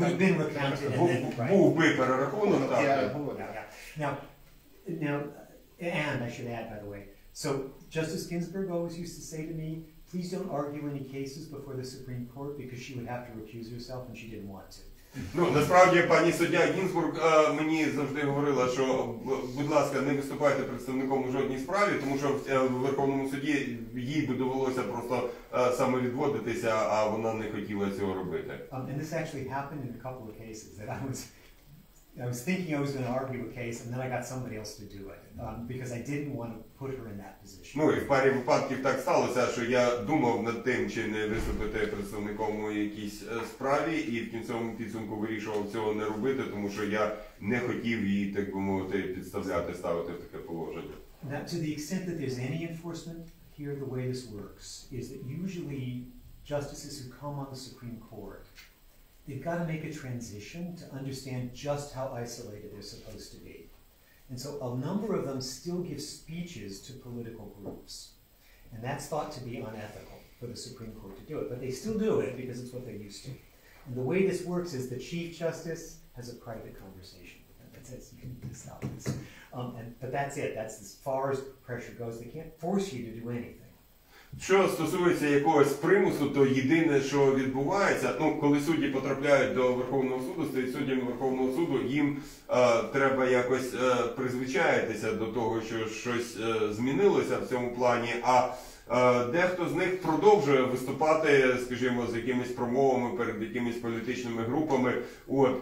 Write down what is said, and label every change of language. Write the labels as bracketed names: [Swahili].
[English] Would have been recounted. [Ukrainian] Був би перерахунок, так. [English] Now, I should add, by the way, so Justice Ginsburg always used to say to me, please don't argue any cases before the Supreme Court because she would have to recuse herself and she didn't want to. [Ukrainian] Ну, насправді, пані суддя Гінзбург мені завжди говорила, що, будь ласка, не виступайте представником у жодній справі, тому що в Верховному суді їй би довелося просто самовідводитися, а вона не хотіла цього робити. [English] And this actually happened in a couple of cases that I was thinking I was going to argue a case, and then I got somebody else to do it, because I didn't want to put her in that position. [Ukrainian] Ну, і в парі випадків так сталося, що я думав над тим, чи не виступити представником у якійсь справі, і в кінцевому підсумку вирішував цього не робити, тому що я не хотів її, так би мовити, підставляти, ставити в таке положення. [English] Now, to the extent that there's any enforcement, here the way this works is that usually justices who come on the Supreme Court, they've got to make a transition to understand just how isolated they're supposed to be. And so a number of them still give speeches to political groups. And that's thought to be unethical. for the Supreme Court to do it. But they still do it because it's what they're used to. And the way this works is the Chief Justice has a private conversation with them that says, you need to stop this. But that's it. That's as far as pressure goes. They can't force you to do anything. [Ukrainian] Що стосується якогось примусу, то єдине, що відбувається, ну, коли судді потрапляють до Верховного суду, стають суддями Верховного суду, їм треба якось призвичаєтися до того, що щось змінилося в цьому плані, а дехто з них продовжує виступати, скажімо, з якимись промовами перед якимись політичними групами. От.